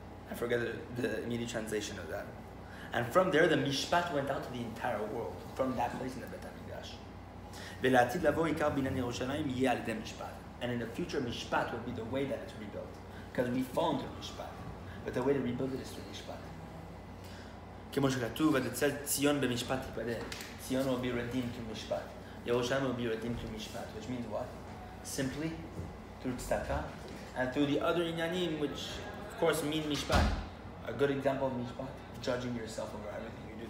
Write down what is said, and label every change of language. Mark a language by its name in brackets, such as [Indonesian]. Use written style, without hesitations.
[English] I forget the immediate translation of that. And from there, the Mishpat went out to the entire world, from that place in the Beit HaMikdash. [Hebrew] ולעתיד לבוא עיקר בניין ירושלים יהיה על ידי משפט. [English] And in the future, Mishpat will be the way that it's rebuilt. Because we found the Mishpat. But the way to rebuild it is through Mishpat. [Hebrew] כמו שכתוב, את הצל ציון במשפט תיפדה. [English] ציון will be redeemed through Mishpat. Yerushalayim will be redeemed through Mishpat. Which means what? Simply, through tzedakah. And through the other inyanim, which of course mean Mishpat. A good example of Mishpat, judging yourself over everything you do.